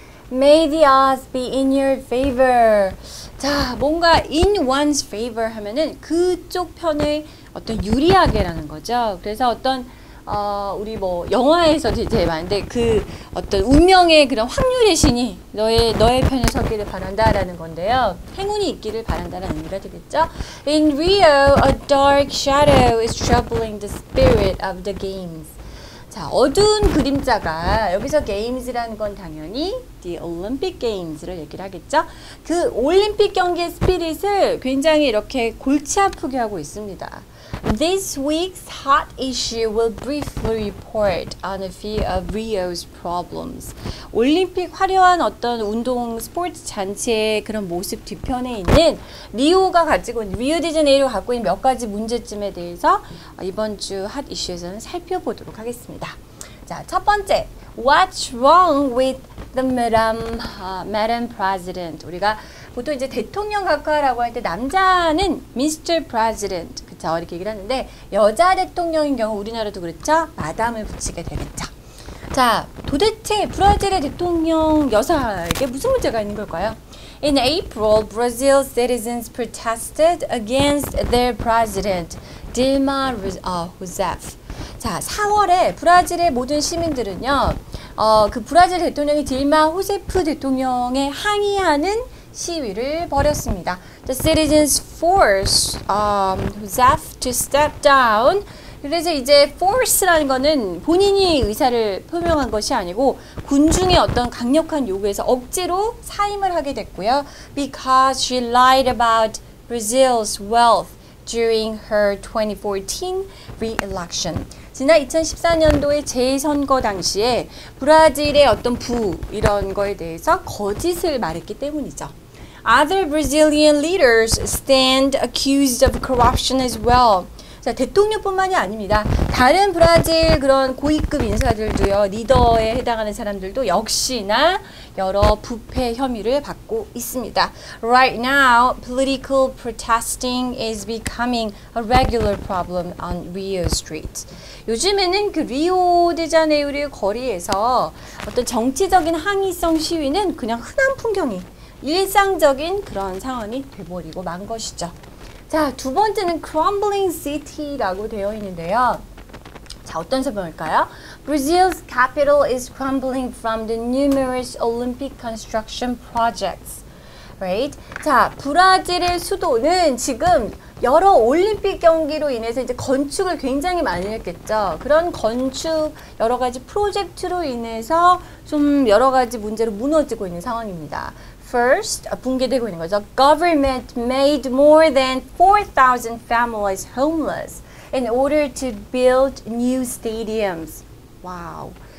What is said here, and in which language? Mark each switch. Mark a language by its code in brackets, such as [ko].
[en] May the odds be in your favor. [ko] 자, 뭔가 in one's favor 하면은 그쪽 편에 어떤 유리하게라는 거죠. 그래서 어떤 우리 뭐 영화에서도 이제 많은데 그 어떤 운명의 그런 확률의 신이 너의 편에 서기를 바란다라는 건데요. 행운이 있기를 바란다라는 의미가 되겠죠. [en] In Rio, a dark shadow is troubling the spirit of the games. [ko] 자, 어두운 그림자가 여기서 게임즈라는 건 당연히 [en] The Olympic Games [ko] 를 얘기를 하겠죠. 그 올림픽 경기의 스피릿을 굉장히 이렇게 골치 아프게 하고 있습니다. [en] This week's hot issue will briefly report on a few of Rio's problems. [ko] 올림픽 화려한 어떤 운동 스포츠 잔치의 그런 모습 뒤편에 있는 리우디제네이로 갖고 있는 몇 가지 문제점에 대해서 이번 주 핫 이슈에서는 살펴보도록 하겠습니다. 자, 첫 번째, [en] What's wrong with the Madam President? [ko] 우리가 보통 이제 대통령 각하라고 할 때 남자는 Mr. President, 그쵸? 이렇게 얘기를 하는데 여자 대통령인 경우 우리나라도 그렇죠? 마담을 붙이게 되겠죠. 자, 도대체 브라질의 대통령 여사에게 무슨 문제가 있는 걸까요? [en] In April, Brazil citizens protested against their president, Dilma Rousseff. [ko] 자, 4월에 브라질의 모든 시민들은요, 그 브라질 대통령이 딜마 호세프 대통령에 항의하는 시위를 벌였습니다. [en] The citizens forced Rousseff to step down. [ko] 그래서 이제 force라는 거는 본인이 의사를 표명한 것이 아니고 군중의 어떤 강력한 요구에서 억지로 사임을 하게 됐고요. [en] Because she lied about Brazil's wealth during her 2014 re-election. [ko] 지난 2014년도에 재선거 당시에 브라질의 어떤 부 이런 거에 대해서 거짓을 말했기 때문이죠. [en] Other Brazilian leaders stand accused of corruption as well. [ko] 자, 대통령뿐만이 아닙니다. 다른 브라질 그런 고위급 인사들도요, 리더에 해당하는 사람들도 역시나 여러 부패 혐의를 받고 있습니다. [en] Right now, political protesting is becoming a regular problem on Rio Street. [ko] 요즘에는 그 리오데자네이루의 거리에서 어떤 정치적인 항의성 시위는 그냥 흔한 풍경이 일상적인 그런 상황이 돼버리고 만 것이죠. 자, 두 번째는 [en] crumbling city [ko] 라고 되어 있는데요. 자, 어떤 설명일까요? [en] Brazil's capital is crumbling from the numerous Olympic construction projects. Right? [ko] 자, 브라질의 수도는 지금 여러 올림픽 경기로 인해서 이제 건축을 굉장히 많이 했겠죠. 그런 건축 여러 가지 프로젝트로 인해서 좀 여러 가지 문제로 무너지고 있는 상황입니다. [en] First, [ko] 붕괴되고 있는 거죠. [en] Government made more than 4,000 families homeless in order to build new stadiums. Wow.